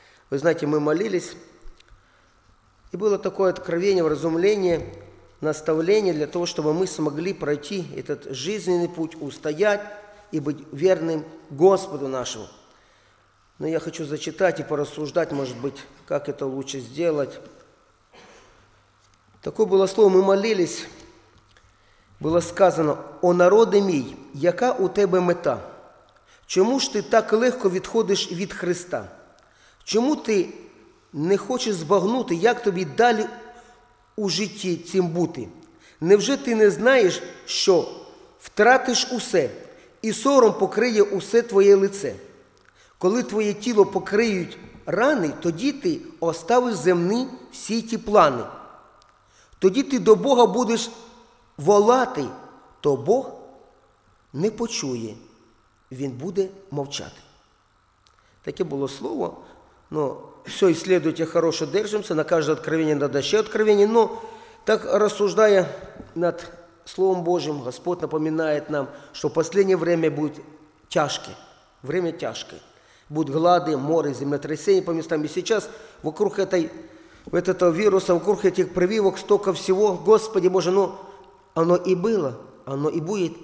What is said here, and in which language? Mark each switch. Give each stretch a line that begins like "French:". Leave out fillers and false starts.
Russian: Вы знаете, мы молились. И было такое откровение, вразумление, наставление для того, чтобы мы смогли пройти этот жизненный путь, устоять и быть верным Господу нашему. Но я хочу зачитать и порассуждать, может быть, как это лучше сделать. Такое было слово, мы молились, было сказано,
Ukrainian: «О народе мій, яка у тебе мета? Чому ж ти так легко відходиш від Христа? Чому ти не хочеш збагнути, як тобі далі у житті цим бути? Невже ти не знаєш, що втратиш усе, і сором покриє усе твоє лице? Коли твоє тіло покриють рани, тоді ти оставиш земні всі ті плани. Тоді ти до Бога будеш волати, то Бог не почує, Він буде мовчати». Таке було слово,
Russian: но все исследуйте, хорошо держимся, на каждое откровение надо еще откровение, но так рассуждая над Словом Божьим, Господь напоминает нам, что в последнее время будет тяжкое, время тяжкое. Будут глады, моры, землетрясения по местам. И сейчас вокруг этого вируса, вокруг этих прививок столько всего, Господи Боже, ну оно и было. Оно и будет.